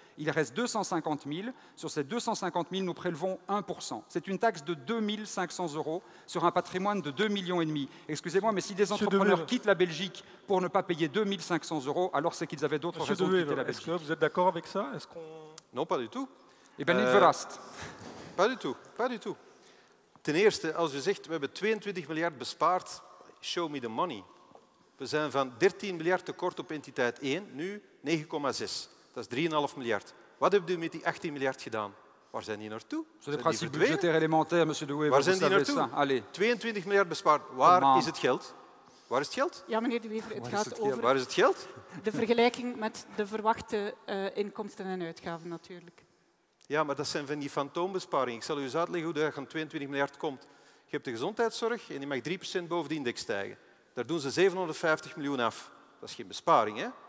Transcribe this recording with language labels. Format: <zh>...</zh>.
<fr>Il reste 250 000. Sur ces 250 000, nous prélevons 1%. C'est une taxe de 2 500 euros sur un patrimoine de 2,5 millions. Excusez-moi, mais si des entrepreneurs quittent la Belgique pour ne pas payer 2 500 euros, alors c'est qu'ils avaient d'autres raisons de quitter la Belgique. Est-ce que vous êtes d'accord avec ça ? Non, pas du tout. Et bien,</fr> <nl>niet verrast.</nl> <fr>Pas du tout, pas du tout.</fr> <nl>Ten eerste, als u zegt, we hebben 22 miljard bespaard,</nl> <en>show me the money.</en> <nl>We zijn van 13 miljard tekort op entiteit 1, nu 9,6. Dat is 3,5 miljard. Wat hebben jullie met die 18 miljard gedaan? Waar zijn die naartoe?</nl> <fr>C'est le principe budgétaire élémentaire, monsieur Douwe.</fr> <nl>Waar zijn die naartoe? Allez. 22 miljard bespaard. Waar is het geld? Waar is het geld? Ja, meneer Douwe, het gaat over... Waar is het geld? De vergelijking met de verwachte inkomsten en uitgaven, natuurlijk. Ja, maar dat zijn van die fantoombesparingen. Ik zal u eens uitleggen hoe dat van 22 miljard komt. Je hebt de gezondheidszorg en die mag 3% boven de index stijgen. Daar doen ze 750 miljoen af. Dat is geen besparing, hè?</nl>